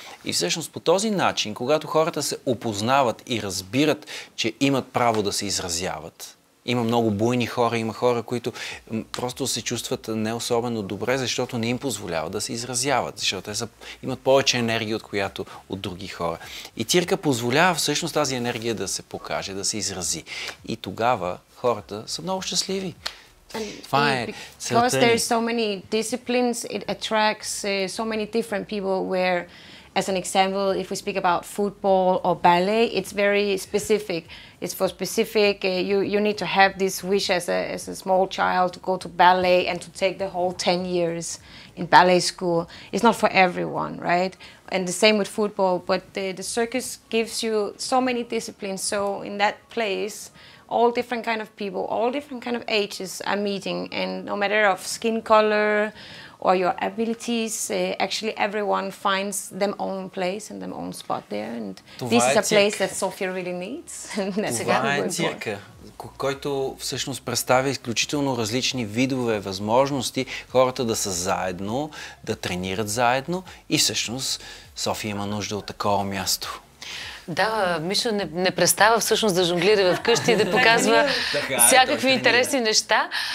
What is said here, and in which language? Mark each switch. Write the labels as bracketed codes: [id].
[bg] И всъщност по този начин, когато хората се опознават и разбират, че имат право да се изразяват, има много буйни хора, има хора, които просто се чувстват не особено добре, защото не им позволява да се изразяват, защото те имат повече енергия, от други хора. И цирка позволява всъщност тази енергия да се покаже, да се изрази. И тогава хората са много щастливи. Това е целта. [en] Because there are so many disciplines, it attracts so many different people where, as an example, if we speak about football or ballet, it's very specific. It's for specific, you need to have this wish as a small child to go to ballet and to take the whole 10 years in ballet school. It's not for everyone, right? And the same with football, but the circus gives you so many disciplines. So in that place, all different kind of people, all different kind of ages are meeting, and no matter of skin color, or your abilities, actually everyone finds them own place and them own spot there. And [bg] това [en] this [bg] е [en] is a place that Sofia really needs. [bg] Това е цирка, който всъщност представя изключително различни видове възможности хората да са заедно, да тренират заедно и всъщност Sofia има нужда от такова място. Да, Мишо не престава всъщност да жонглира вкъщи и да показва всякакви интересни неща.